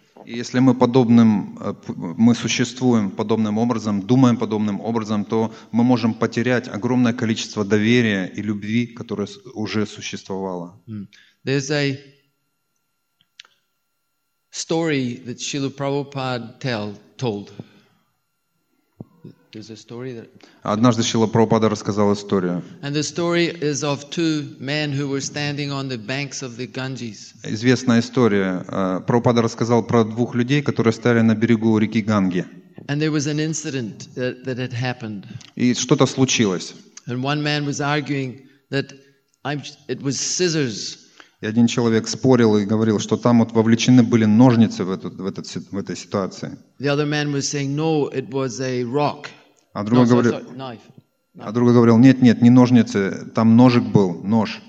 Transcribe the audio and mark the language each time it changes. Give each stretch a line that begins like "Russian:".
Russian: Если мы подобным, мы существуем подобным образом, думаем подобным образом, то мы можем потерять огромное количество доверия и любви, которое уже существовало.
English: There's a story that Srila Prabhupada told. There's a story that...
Russian: Однажды Шрила Прабхупада рассказал историю.
English: And the story is of two men who were standing on the banks of the Ganges.
Russian: Известная история. Прабхупада рассказал про двух людей, которые стояли на берегу реки Ганги.
English: And there was an incident that had happened.
Russian: И что-то случилось.
English: And one man was arguing that it was scissors.
Russian: И один человек спорил и говорил, что там вот вовлечены были ножницы в этой ситуации.
English: The other man was saying, no, it was a rock.
Russian: А другой говорил,
English: knife.
Russian: А другой говорил, нет, не ножницы, там ножик был, нож.